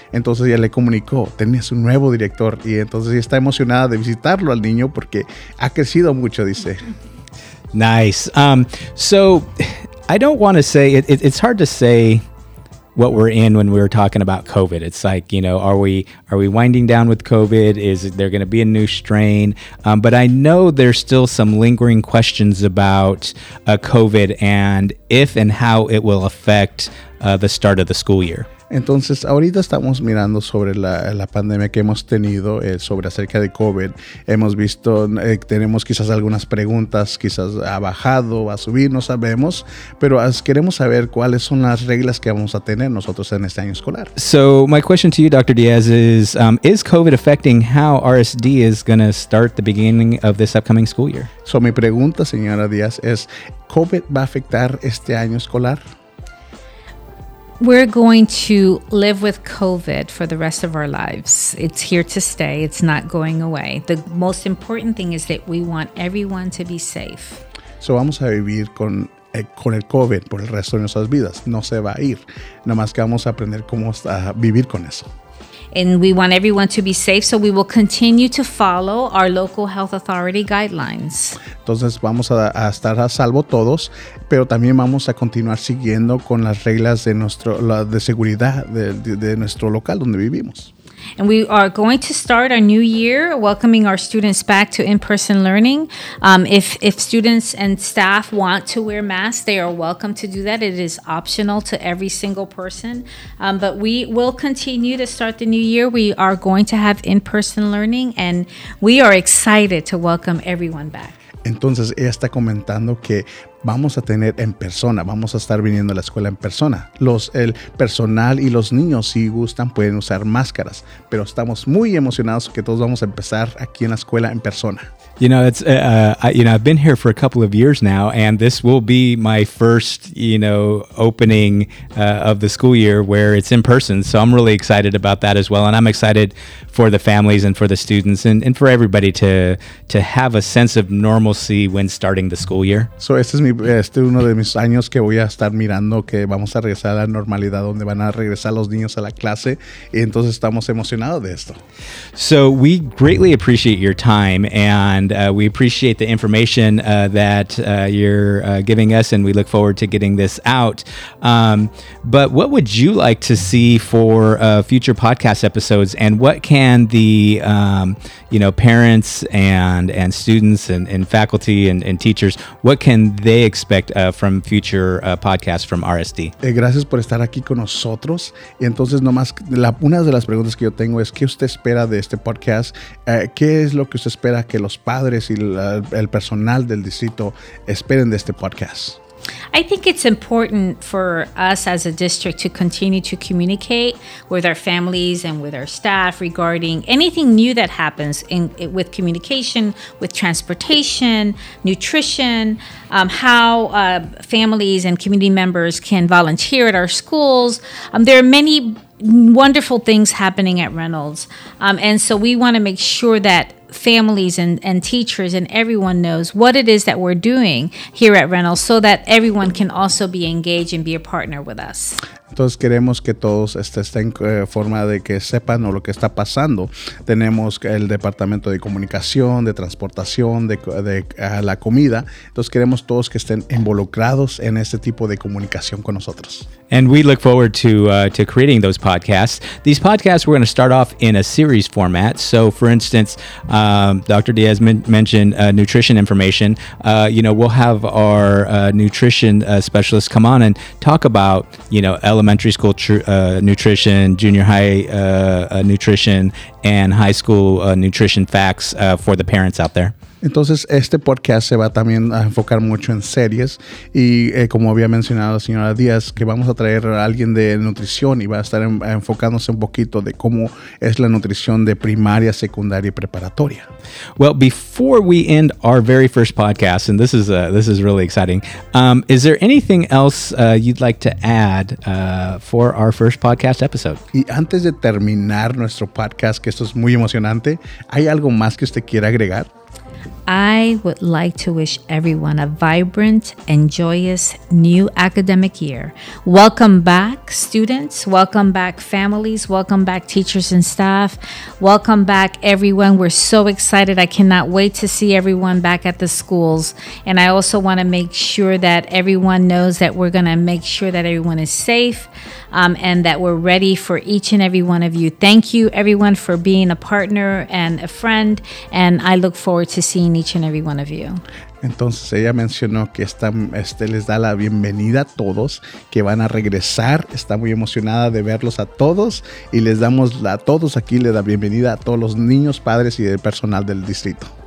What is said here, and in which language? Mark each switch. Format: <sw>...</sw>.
<es>Entonces ella le comunicó, tenías un nuevo director. Y entonces ella está emocionada de visitarlo al niño porque ha crecido mucho, dice.</es> <en>Nice. So I don't want to say, it's hard to say what we're in when we're talking about COVID. It's like, you know, are we winding down with COVID? Is there going to be a new strain? But I know there's still some lingering questions about COVID and if and how it will affect the start of the school year.</en> <es>Entonces, ahorita estamos mirando sobre la pandemia que hemos tenido, sobre acerca de COVID. Hemos visto, tenemos quizás algunas preguntas, quizás ha bajado, ha subido, no sabemos. Pero queremos saber cuáles son las reglas que vamos a tener nosotros en este año escolar.</es> <en>So, my question to you, Dr. Diaz, is COVID affecting how RSD is going to start the beginning of this upcoming school year?</en> <es>So, mi pregunta, señora Diaz, es, ¿COVID va a afectar este año escolar?</es> <en>We're going to live with COVID for the rest of our lives. It's here to stay. It's not going away. The most important thing is that we want everyone to be safe.</en> <es>So vamos a vivir con el COVID por el resto de nuestras vidas. No se va a ir. Nomás que vamos a aprender cómo vivir con eso.</es> <en>And we want everyone to be safe, so we will continue to follow our local health authority guidelines.</en> <es>Entonces vamos a estar a salvo todos, pero también vamos a continuar siguiendo con las reglas de seguridad de nuestro local donde vivimos.</es> <en>And we are going to start our new year welcoming our students back to in-person learning. If students and staff want to wear masks, they are welcome to do that. It is optional to every single person. But we will continue to start the new year. We are going to have in-person learning, and we are excited to welcome everyone back.</en> <es>Entonces, ella está comentando que vamos a tener en persona, vamos a estar viniendo a la escuela en persona. El personal y los niños, si gustan, pueden usar máscaras, pero estamos muy emocionados que todos vamos a empezar aquí en la escuela en persona.</es> <en>You know, I've been here for a couple of years now, and this will be my first, you know, opening of the school year where it's in person. So I'm really excited about that as well. And I'm excited for the families and for the students and for everybody to have a sense of normalcy when starting the school year.</en> <es>So este es uno de mis años que voy a estar mirando que vamos a regresar a la normalidad donde van a regresar los niños a la clase. Y entonces estamos emocionados de esto.</es> <en>So we greatly appreciate your time, and we appreciate the information that you're giving us, and we look forward to getting this out. But what would you like to see for future podcast episodes, and what can the parents and students and faculty and teachers, what can they expect from future podcasts from RSD?</en> <es>Gracias por estar aquí con nosotros. Y entonces nomás una de las preguntas que yo tengo es, ¿qué usted espera de este podcast? ¿Qué es lo que usted espera que los padres y el personal del distrito esperen de este podcast?</es> <en>I think it's important for us as a district to continue to communicate with our families and with our staff regarding anything new that happens with communication, with transportation, nutrition, how families and community members can volunteer at our schools. There are many wonderful things happening at Reynolds. And so we want to make sure that families and teachers and everyone knows what it is that we're doing here at Reynolds so that everyone can also be engaged and be a partner with us.</en> <es>Entonces queremos que todos estén en forma de que sepan lo que está pasando. Tenemos el departamento de comunicación, de transportación, de la comida. Entonces queremos todos que estén involucrados en este tipo de comunicación con nosotros.</es> <en>And we look forward to creating those podcasts. These podcasts, we're going to start off in a series format. So for instance, Dr. Diaz mentioned nutrition information. We'll have our nutrition specialist come on and talk about, elementary school nutrition, junior high nutrition, and high school nutrition facts for the parents out there.</en> <es>Entonces, este podcast se va también a enfocar mucho en series y como había mencionado la señora Díaz, que vamos a traer a alguien de nutrición y va a estar enfocándose un poquito de cómo es la nutrición de primaria, secundaria y preparatoria.</es> <en>Well, before we end our very first podcast, and this is really exciting, is there anything else you'd like to add for our first podcast episode?</en> <es>Y antes de terminar nuestro podcast, que esto es muy emocionante, ¿hay algo más que usted quiera agregar?</es> <en>I would like to wish everyone a vibrant and joyous new academic year. Welcome back, students. Welcome back, families. Welcome back, teachers and staff. Welcome back, everyone. We're so excited. I cannot wait to see everyone back at the schools. And I also want to make sure that everyone knows that we're going to make sure that everyone is safe and that we're ready for each and every one of you. Thank you, everyone, for being a partner and a friend. And I look forward to seeing each and every one of you.</en> <es>Entonces ella mencionó que les da la bienvenida a todos, que van a regresar. Está muy emocionada de verlos a todos y les damos a todos aquí, le da bienvenida a todos los niños, padres y el personal del distrito.</es>